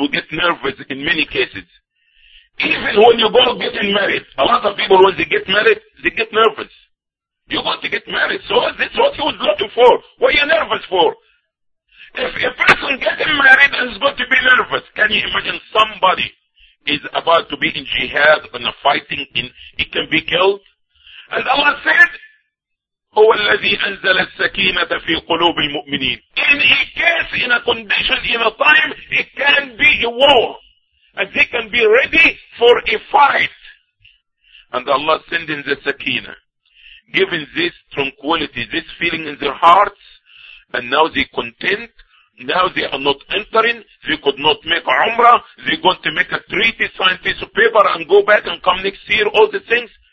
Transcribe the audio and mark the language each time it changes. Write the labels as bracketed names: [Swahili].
[English] We get nervous in many cases. Even when you go getting married, a lot of people, when they get married, they get nervous. You go to get married, so that's what you would look for. What are you nervous for? If a person getting married is going to be nervous, can you imagine somebody is about to be in jihad and fighting, and he can be killed? And Allah said, [Arabic] هو الذي أنزل السكينة في قلوب المؤمنين. [English] In a case, in a condition, in a time, it can be a war. And they can be ready for a fight. And Allah sending the سكينة, giving this tranquility, this feeling in their hearts, and now they content, now they are not entering, they could not make Umrah, they going to make a treaty, sign a piece of paper, and go back and come next year, all the things.